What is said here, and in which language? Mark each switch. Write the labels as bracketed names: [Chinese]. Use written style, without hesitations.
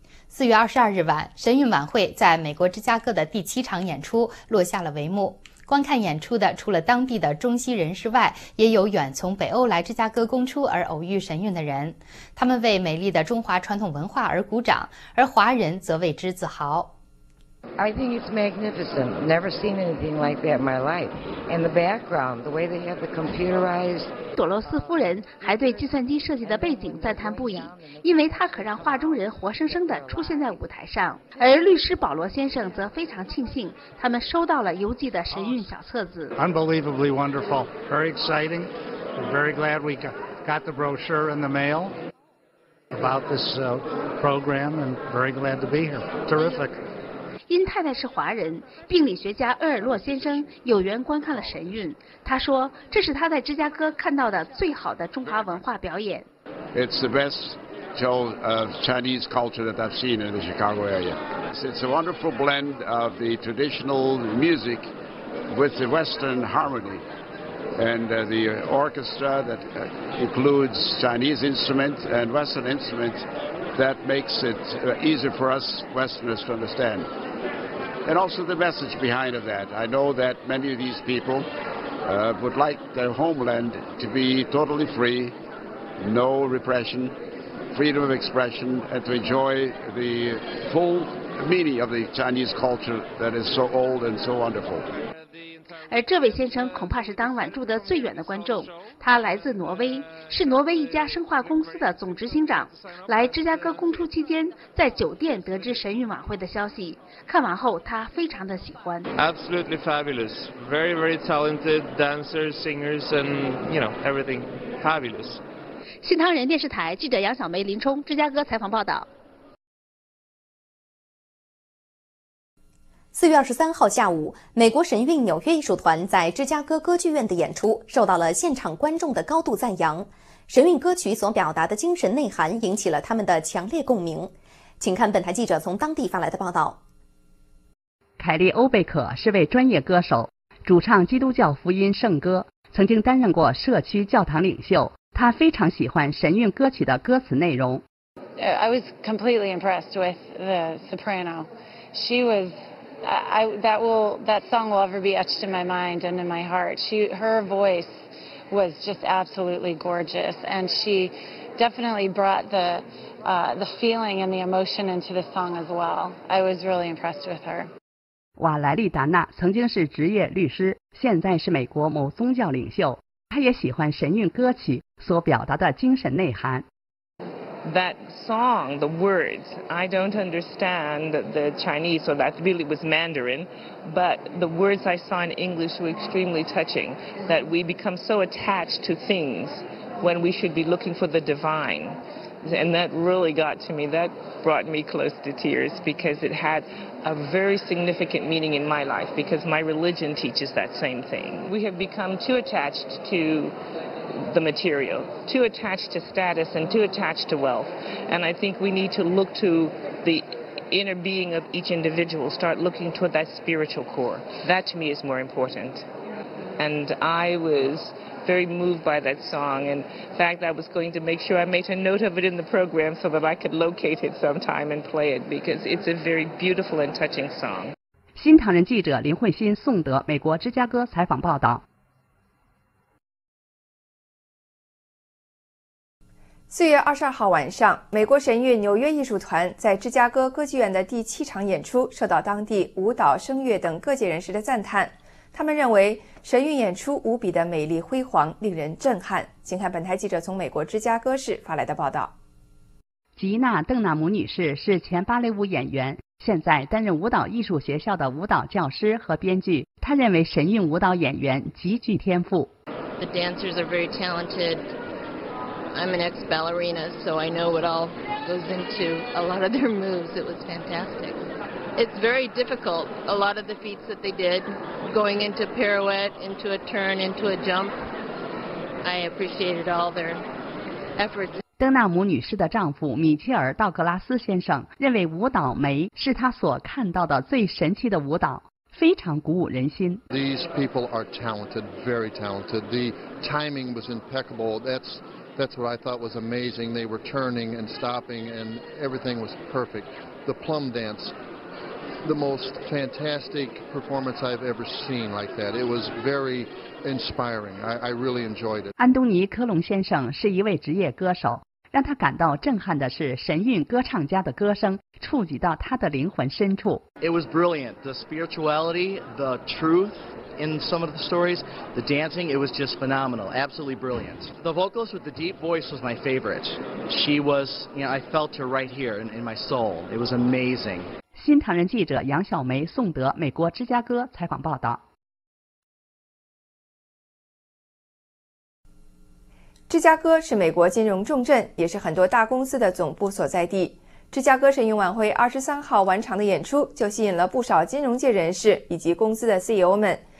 [Chinese] 4月22日晚，神韵晚会在美国芝加哥的第七场演出落下了帷幕。观看演出的除了当地的中西人士外，也有远从北欧来芝加哥公出而偶遇神韵的人。他们为美丽的中华传统文化而鼓掌，而华人则为之自豪。 [English] I think it's magnificent. Never seen anything like that in my life. And the background, the way they have the computerized. [Chinese] 朵洛斯夫人还对计算机设计的背景赞叹不已，因为它可让画中人活生生地出现在舞台上。而律师保罗先生则非常庆幸，他们收到了邮寄的神韵小册子。 [English] Unbelievably wonderful. Very exciting. We're very glad we got the brochure in the mail. About this program, and very glad to be here. Terrific. [Chinese] 因太太是华人，病理学家厄尔洛先生有缘观看了神韵。他说，这是他在芝加哥看到的最好的中华文化表演。 [English] It's the best show of Chinese culture that I've seen in the Chicago area. It's a wonderful blend of the traditional music with the Western harmony, and the orchestra that includes Chinese instruments and Western instruments that makes it easier for us Westerners to understand. And also the message behind of that. I know that many of these people would like their homeland to be totally free, no repression, freedom of expression, and to enjoy the full meaning of the Chinese culture that is so old and so wonderful. [Chinese] 而这位先生恐怕是当晚住得最远的观众。他来自挪威，是挪威一家生化公司的总执行长，来芝加哥公出期间在酒店得知神韵晚会的消息，看完后他非常的喜欢。 [English] Absolutely fabulous. Very, very talented dancers, singers, and you know, everything fabulous. [Chinese] 新唐人电视台记者杨小梅、林冲，芝加哥采访报道。 4月23号下午，美国神韵纽约艺术团在芝加哥歌剧院的演出受到了现场观众的高度赞扬。神韵歌曲所表达的精神内涵引起了他们的强烈共鸣。请看本台记者从当地发来的报道。凯利·欧贝克是位专业歌手，主唱基督教福音圣歌，曾经担任过社区教堂领袖。他非常喜欢神韵歌曲的歌词内容。 [English] I was completely impressed with the soprano. She wasthat song will ever be etched in my mind and in my heart. Her voice was just absolutely gorgeous, and she definitely brought the feeling and the emotion into the song as well. I was really impressed with her. [Chinese] 瓦莱利达纳曾经是职业律师，现在是美国某宗教领袖。他也喜欢神韵歌曲所表达的精神内涵。 [English] That song, the words, I don't understand the Chinese, so that really was Mandarin, but the words I saw in English were extremely touching, that we become so attached to things when we should be looking for the divine. And that really got to me. That brought me close to tears because it had a very significant meaning in my life because my religion teaches that same thing. We have become too attached to... the material, too attached to status and too attached to wealth. And I think we need to look to the inner being of each individual, start looking toward that spiritual core. That to me is more important. And I was very moved by that song. In fact, I was going to make sure I made a note of it in the program so that I could locate it sometime and play it because it's a very beautiful and touching song. [Chinese] 新唐人记者林慧欣、宋德，美国芝加哥采访报道。 4月22号晚上，美国神韵纽约艺术团在芝加哥歌剧院的第七场演出受到当地舞蹈、声乐等各界人士的赞叹。他们认为神韵演出无比的美丽辉煌，令人震撼。请看本台记者从美国芝加哥市发来的报道。吉娜·邓纳姆女士是前芭蕾舞演员，现在担任舞蹈艺术学校的舞蹈教师和编剧。她认为神韵舞蹈演员极具天赋。 [English] The dancers are very talented. I'm an ex-ballerina, so I know what all goes into a lot of their moves. It was fantastic. It's very difficult, a lot of the feats that they did, going into pirouette, into a turn, into a jump. I appreciated all their efforts. [Chinese] 邓纳姆女士的丈夫米切尔·道格拉斯先生认为舞蹈梅是他所看到的最神奇的舞蹈。非常鼓舞人心。 [English] These people are talented, very talented. The timing was impeccable. That's That's what I thought was amazing. They were turning and stopping, and everything was perfect. The plum dance, the most fantastic performance I've ever seen like that. It was very inspiring. I really enjoyed it. [Chinese] 安东尼·科隆先生是一位职业歌手。让他感到震撼的是，神韵歌唱家的歌声触及到他的灵魂深处。 [English] It was brilliant. The spirituality, the truth in some of the stories, the dancing, it was just phenomenal. Absolutely brilliant. The vocalist with the deep voice was my favorite. She was, you know, I felt her right here in my soul. It was amazing. [Chinese] 新唐人记者杨小梅、宋德，美国芝加哥采访报道。芝加哥是美国金融重镇，也是很多大公司的总部所在地。芝加哥神韵晚会23号晚场的演出就吸引了不少金融界人士以及公司的 CEO 们。